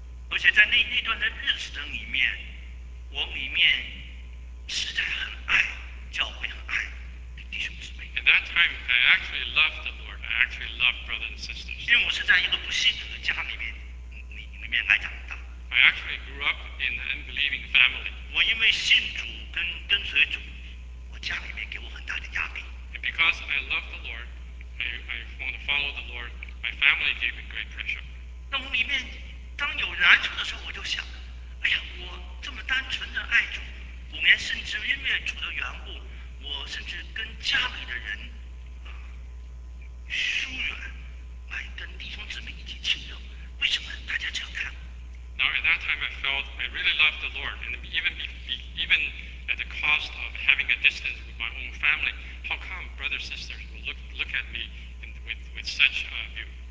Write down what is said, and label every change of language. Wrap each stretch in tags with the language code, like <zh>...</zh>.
<zh>而且在那段的日子里面，我里面实在很爱。</zh> <en>At that time, I actually loved the Lord. I actually loved brothers and sisters.</en> <zh>因为我是在一个不信主的家里面来长大。</zh> <en>I actually grew up in an unbelieving family.</en> <zh>我因为信主跟随主，我家里面给我很大的压力。</zh> <en>And because I love the Lord, I want to follow the Lord. My family gave me great pressure.</en> <zh>那我里面当有难处的时候，我就想，哎呀，我这么单纯的爱主。五年甚至因为主的缘故，我甚至跟家里的人疏远，来跟弟兄姊妹一起庆祝。为什么大家这样看？</zh> <en>Now at that time I felt I really loved the Lord, and even at the cost of having a distance with my own family, how come brothers and sisters will look at me with such a view?</en>